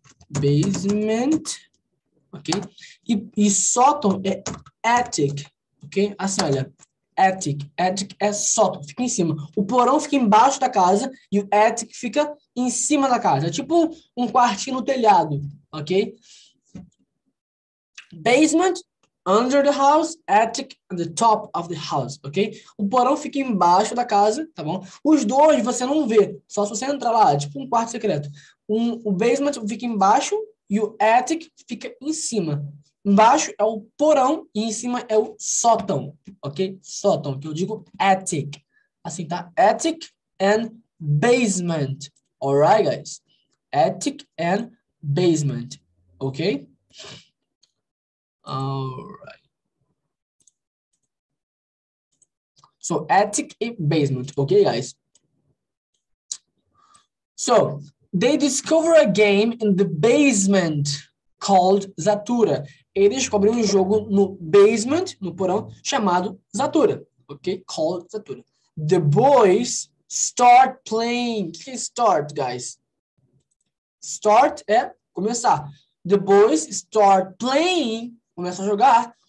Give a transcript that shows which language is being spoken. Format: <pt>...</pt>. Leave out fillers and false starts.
<pt>Basement. Ok? E sótão é attic, ok? Assim, olha. Attic. Attic é sótão, fica em cima. O porão fica embaixo da casa e o attic fica em cima da casa. É tipo um quartinho no telhado, ok?</pt> <en>Basement, under the house, attic, on the top of the house, ok?</en> <pt>O porão fica embaixo da casa, tá bom? Os dois você não vê, só se você entrar lá, é tipo um quarto secreto. O basement fica embaixo. E o attic fica em cima. Embaixo é o porão e em cima é o sótão, ok? Sótão, que eu digo attic. Assim, tá?</pt> <en>Attic and basement. Alright, guys? Attic and basement. Ok? Alright. So, attic e basement. Ok, guys? So. They discover a game in the basement called Zatura.</en> <pt>Eles descobrem um jogo no basement, no porão, chamado Zatura.</pt> <en>Ok? Called Zatura. The boys start playing.</en> <pt>Que start, guys? Start é começar.</pt> <en>The boys start playing.</en> <pt>Começa a jogar.</pt>